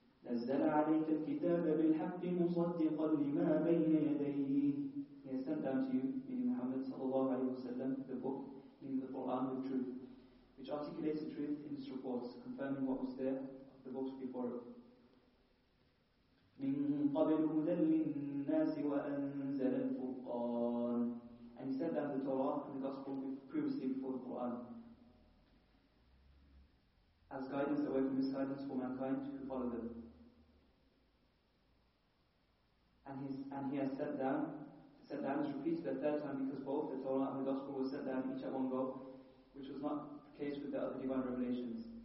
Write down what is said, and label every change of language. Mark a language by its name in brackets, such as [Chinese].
[Arabic] نزل عليك الكتاب بالحق مصدقا لما بين يديه. [English] He has sent down to you, meaning Muhammad sallallahu alayhi wa sallam, the book, meaning the Quran, the truth, which articulates the truth in its reports, confirming what was there of the books before it. [Arabic] من قبل هدى للناس وأنزل الفرقان. [English] And he sent down the Torah and the Gospel previously before the Quran, as guidance away from misguidance for mankind who follow them. And he has sat down, it's repeated the third time, because both the Torah and the Gospel were set down each at one go, which was not the case with the other divine revelations.